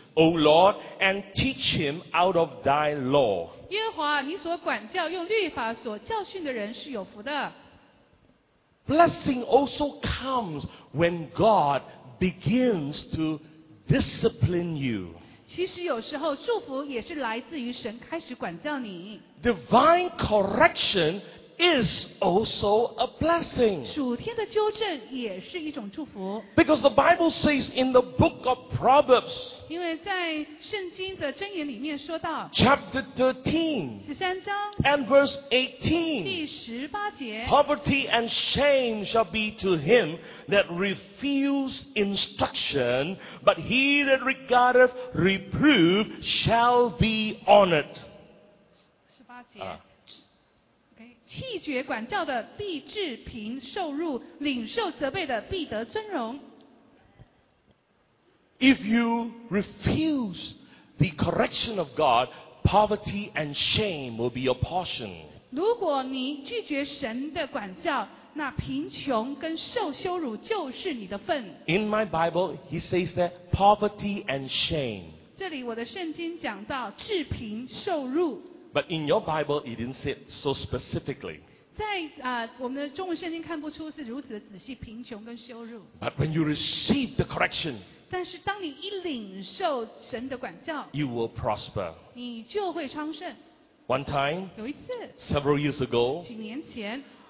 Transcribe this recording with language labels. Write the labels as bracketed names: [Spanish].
[English] O Lord, and teach him out of thy law. [Chinese] 耶和华，你所管教用律法所教训的人是有福的。 [English] Blessing also comes when God begins to discipline you. [Chinese] 其实有时候祝福也是来自于神开始管教你。 [English] Divine correction is also a blessing. [Chinese] 属天的纠正也是一种祝福。 [English] Because the Bible says in the book of Proverbs， [Chinese] 因为在圣经的箴言里面说到 [English] Chapter 13， [Chinese] 十三章 [English] and verse 18， [Chinese] 第十八节， [English] Poverty and shame shall be to him that refuses instruction， but he that regardeth reproof shall be honored。 [Chinese] 十八节弃绝管教的必致贫受辱，领受责备的必得尊荣。 [English] If you refuse the correction of God, poverty and shame will be your portion. [Chinese] 如果你拒绝神的管教，那贫穷跟受羞辱就是你的份。 [English] In my Bible, he says that poverty and shame. [Chinese] 这里我的圣经讲到致贫受辱。 [English] But in your Bible, it didn't say it so specifically. [Chinese] 在我们的中文圣经看不出是如此的仔细，贫穷跟羞辱。 [English] But when you receive the correction， [Chinese] 但是当你一领受神的管教， [English] you will prosper， [Chinese] 你就会昌盛。 [English] One time， [Chinese] 有一次， [English] several years ago， [Chinese] 几年前，